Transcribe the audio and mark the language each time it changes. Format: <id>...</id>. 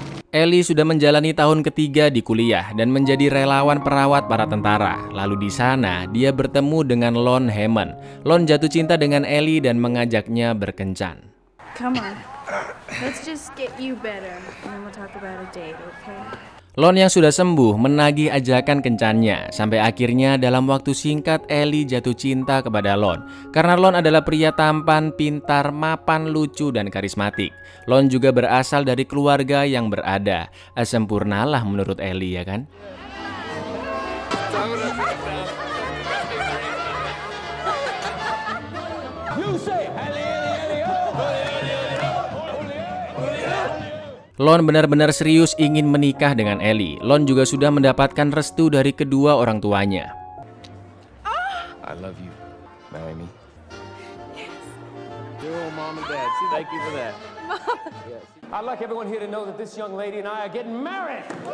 <id>Ellie sudah menjalani tahun ketiga di kuliah dan menjadi relawan perawat para tentara. Lalu di sana, dia bertemu dengan Lon Hammond. Lon jatuh cinta dengan Ellie dan mengajaknya berkencan.</id> <en>Come on, let's just get you better and then we'll talk about a date, okay?</en> <id>Lon yang sudah sembuh menagih ajakan kencannya. Sampai akhirnya dalam waktu singkat Ellie jatuh cinta kepada Lon. Karena Lon adalah pria tampan, pintar, mapan, lucu, dan karismatik. Lon juga berasal dari keluarga yang berada. Sempurnalah menurut Ellie, ya kan? Lon benar-benar serius ingin menikah dengan Ellie. Lon juga sudah mendapatkan restu dari kedua orang tuanya.</id> <en>I love you. Marry me. mom and dad. See, thank you for that. Mom. Yes. I'd like everyone here to know that this young lady and I are getting married.</en>